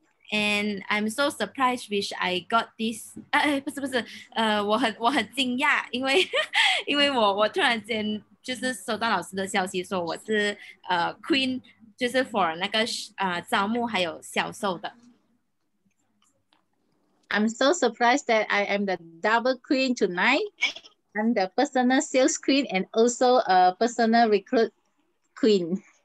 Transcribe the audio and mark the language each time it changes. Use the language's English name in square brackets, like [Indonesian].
[English] And I'm so surprised, which I got this. [Chinese] 不是，我很惊讶，因为我突然间就是收到老师的消息，说我是Queen， 就是 for 那个招募还有销售的。 [English] I'm so surprised that I am the double queen tonight. I'm the personal sales queen and also a personal recruit queen.